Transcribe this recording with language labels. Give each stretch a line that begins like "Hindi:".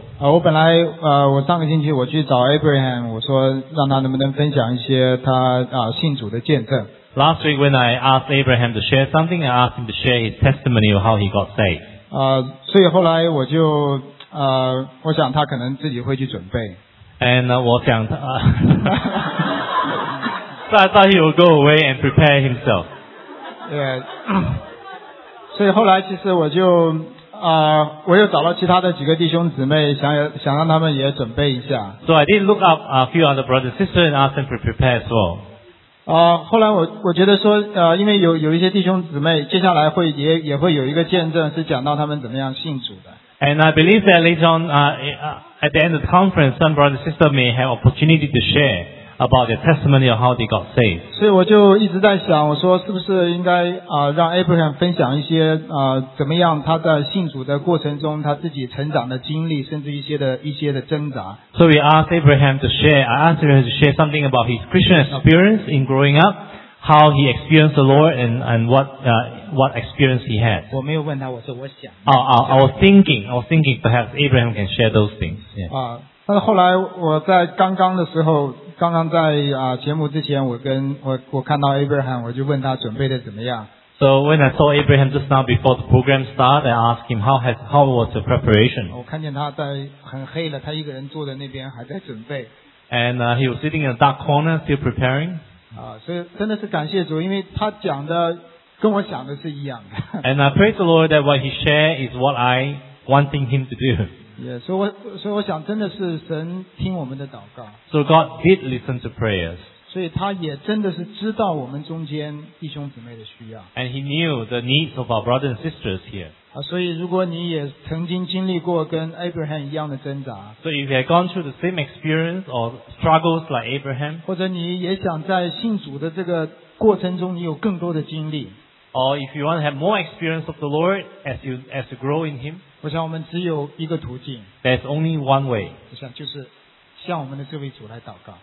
Chinese: 我本来我上个星期我去找 Abraham, 我说让他能不能分享一些他信主的见证。
English: Last week when I asked Abraham to share something, I asked him to share his testimony of how he got saved.
Chinese: 所以后来我就我想他可能自己会去准备。
English: And
Chinese: 我想他
English: I thought he would go away and prepare himself. Yeah.
Chinese: 所以后来其实我就我又找了其他的几个弟兄姊妹想让他们也准备一下。
English: So I did look up a few other brothers and sisters and asked them to prepare as well.
Chinese: 后来我觉得说因为有一些弟兄姊妹接下来会也会有一个见证是讲到他们怎么样信主的。
English: And I believe that later on, at the end of the conference, some brother and sister may have opportunity to share about their testimony of how they got saved.
Chinese: 所以我就一直在想我说是不是应该让 Abraham 分享一些怎么样他在信主的过程中他自己成长的经历甚至一些的挣扎。
English: So we asked Abraham to share, I asked him to share something about his Christian experience in growing up, how he experienced the Lord and what experience he had.
Chinese: 我没有问他我说我想。
English: I was thinking perhaps Abraham can share those things.
Chinese: 但是后来我在刚刚的时候刚刚在节目之前我看到 Abraham 我就问他准备的怎么样。
English: So when I saw Abraham just now before the program started, I asked him how was the preparation.
Chinese: 我看见他在很黑了他一个人坐在那边还在准备。
English: And he was sitting in a dark corner still preparing.
Chinese: 所以真的是感谢主因为他讲的跟我想的是一样的。
English: And I praise the Lord that what he shared is what I wanting him to do.
Chinese: 所以我想真的是神听我们的祷告。
English: So God did listen to prayers.
Chinese: 所以他也真的是知道我们中间弟兄姊妹的需要。
English: And he knew the needs of our brothers and sisters here.
Chinese: 所以如果你也曾经经历过跟 Abraham 一样的挣扎。
English: So if you have gone through the same experience or struggles like Abraham.
Chinese: 或者你也想在信主的这个过程中你有更多的经历。
English: Or if you want to have more experience of the Lord as you grow in him.
Chinese: 我想我们只有一个途径。
English: There's only one way.
Chinese: 我想就是向我们的这位主来祷告。